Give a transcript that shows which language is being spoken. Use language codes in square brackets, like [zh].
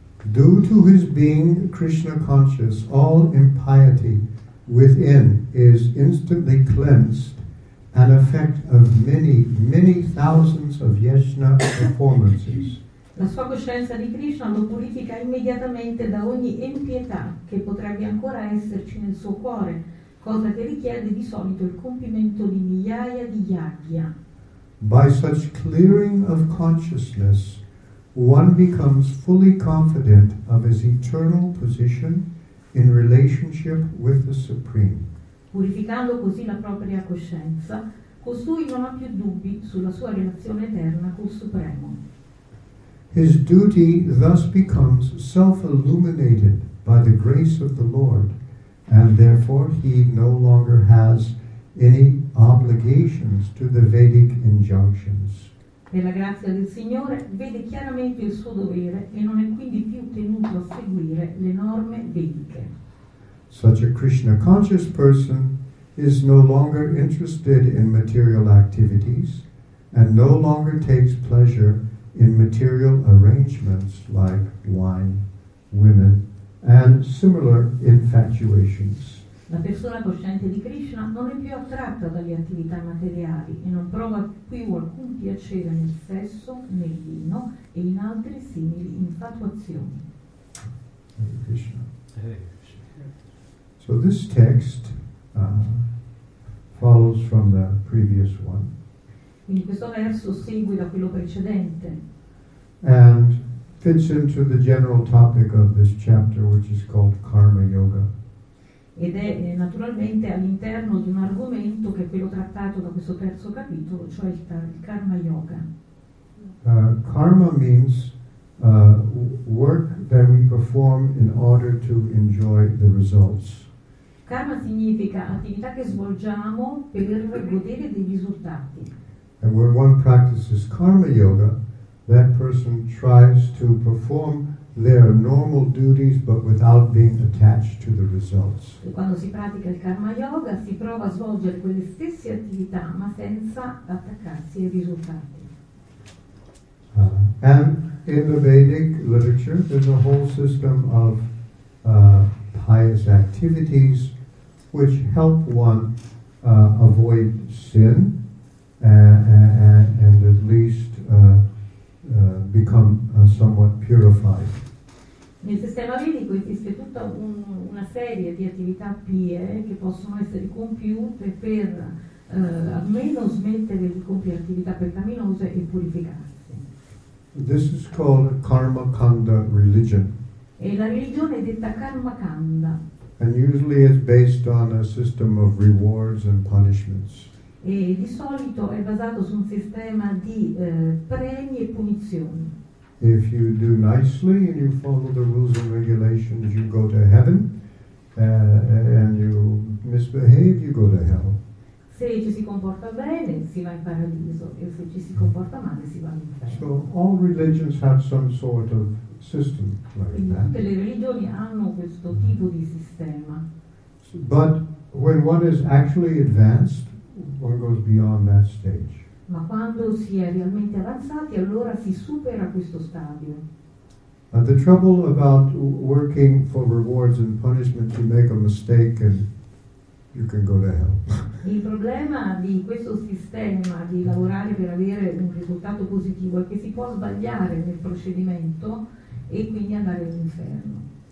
[en] Due to his being Krishna conscious, all impiety within is instantly cleansed, an effect of many, many thousands of yajna performances. [it] La sua coscienza di Krishna lo purifica immediatamente da ogni impietà che potrebbe ancora esserci nel suo cuore, cosa che richiede di solito il compimento di migliaia di yajna. [en] By such clearing of consciousness, one becomes fully confident of his eternal position in relationship with the Supreme. [it] Purificando così la propria coscienza, costui non ha più dubbi sulla sua relazione eterna col Supremo. [en] His duty thus becomes self-illuminated by the grace of the Lord, and therefore he no longer has any obligations to the Vedic injunctions. [it] Per la grazia del Signore vede chiaramente il suo dovere e non è quindi più tenuto a seguire le norme vediche. [en] Such a Krishna conscious person is no longer interested in material activities and no longer takes pleasure in material arrangements like wine, women, and similar infatuations. [it] La persona cosciente di Krishna non è più attratta dalle attività materiali e non prova più alcun piacere nel sesso, nel vino e in altre simili infatuazioni. [sa] Hare Krishna. [en] So this text follows from the previous one. [it] Quindi questo verso segue da quello precedente. [en] And fits into the general topic of this chapter, which is called Karma Yoga. [it] Ed è naturalmente all'interno di un argomento che è quello trattato da questo terzo capitolo, cioè il Karma Yoga. [en] Karma means work that we perform in order to enjoy the results. [it] Karma significa attività che svolgiamo per godere dei risultati. [en] And when one practices Karma Yoga, that person tries to perform their normal duties but without being attached to the results. [it] E quando si pratica il karma yoga si prova a svolgere quelle stesse attività ma senza attaccarsi ai risultati. [en] And in the Vedic literature there's a whole system of pious activities which help one avoid sin and at least become somewhat purified. [it] Nel sistema vedico esiste tutta una serie di attività pie che possono essere compiute per almeno smettere di compiere attività peccaminose e purificarsi. [en] This is called karma kanda religion. [it] E la religione è detta karma kanda. [en] And usually it's based on a system of rewards and punishments. [it] E di solito è basato su un sistema di premi e punizioni. [en] If you do nicely and you follow the rules and regulations, you go to heaven. And you misbehave, you go to hell. [it] Se ci si comporta bene, si va in paradiso. E se ci si comporta male, si va in inferno. [en] So all religions have some sort of system like that. [it] Tutte le religioni hanno questo tipo di sistema. [en] But when one is actually advanced, one goes beyond that stage. [it] Ma quando si è realmente avanzati, allora si supera questo stadio. [en] And the trouble about working for rewards and punishment, you make a mistake and you can go to hell. [it] Il problema di questo sistema di lavorare per avere un risultato positivo è che si può sbagliare nel procedimento e quindi andare all'inferno.